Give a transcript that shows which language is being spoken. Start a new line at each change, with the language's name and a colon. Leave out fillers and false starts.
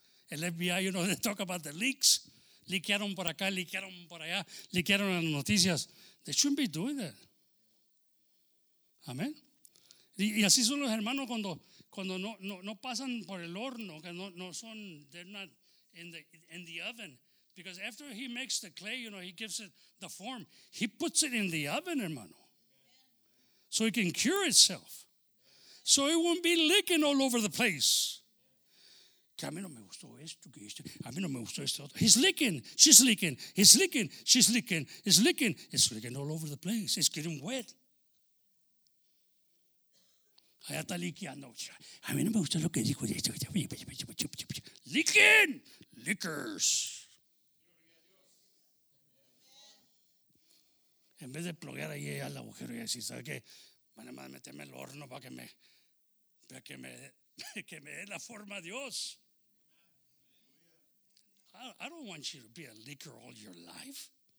English: El FBI, you know, they talk about the leaks.
Spanish: Liquearon por acá, liquearon por allá, liquearon las noticias.
English: They shouldn't be doing that. Amén.
Spanish: Y así son los hermanos cuando no pasan por el horno, que no son,
English: they're not in the oven. Because after he makes the clay, you know, he gives it the form. He puts it in the oven, hermano. So it can cure itself. So it won't be licking all over the place.
Spanish: Que a mí no me gustó esto, que esto. A mí no me gustó esto.
English: He's licking. She's licking. He's licking. She's licking. He's licking. It's licking all over the place. It's getting wet.
Spanish: Allá está liqueando. A mí no me gustó lo que dijo.
English: Licking. Lickers.
Spanish: En vez de ploguear ahí al agujero y decir, ¿sabes qué? Van a meterme el horno para que me dé la forma a Dios.
English: I don't want you to be a licker all your life.